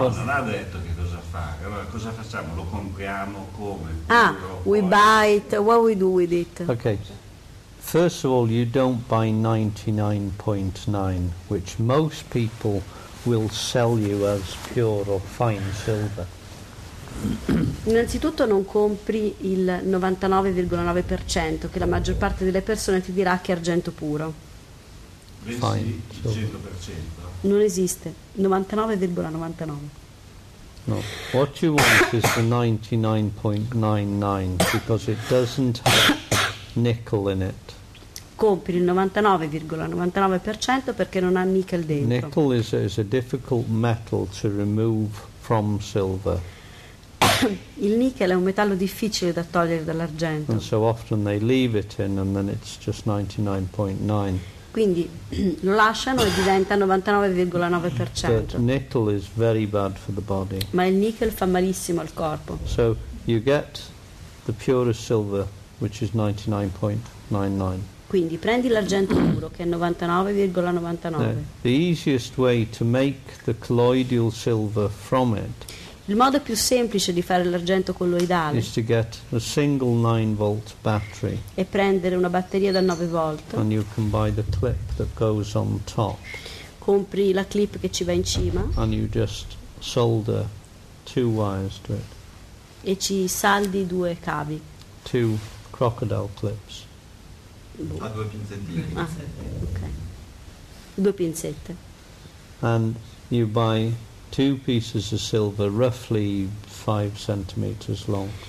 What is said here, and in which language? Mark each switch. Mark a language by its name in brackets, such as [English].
[Italian] No, non ha detto che cosa fare. Allora, cosa facciamo? Lo compriamo come? [English] Ah, we buy it. What we do with it? Okay. First of all, you don't buy 99.9, which most people will sell you as pure or fine silver. [Italian] Innanzitutto non compri il 99,9%, che la maggior parte delle persone ti dirà che è argento puro. [English] Fine, 100%. [Italian] Non esiste, 99,99. [English] No, what you want is the 99.99 because it doesn't have nickel in it. [Italian] Compri il 99,99% perché non ha nickel dentro. [English] Nickel is a difficult metal to remove from silver. [Italian] Il nickel è un metallo difficile da togliere dall'argento. [English] And so often they leave it in and then it's just 99.9. [Italian] Quindi lo lasciano e diventa 99,9%. [English] Nickel is very bad for the body. [Italian] Ma il nickel fa malissimo al corpo. [English] So you get the purest silver, which is 99.99. [Italian] Quindi prendi l'argento puro che è 99,99. [English] Now, the easiest way to make the colloidal silver from it. [Italian] Il modo più semplice di fare l'argento colloidale [English] is to get a single 9 volt battery [Italian] e prendere una batteria da 9 volt [English] and you can buy the clip that goes on top. [Italian] Compri la clip che ci va in cima [English] and you just solder two wires to it. [Italian] E ci saldi due cavi. [English] Two crocodile clips. [Italian] A due pinzette. Ok. Due pinzette. [English] And you buy two pieces of silver roughly 5 centimeters long.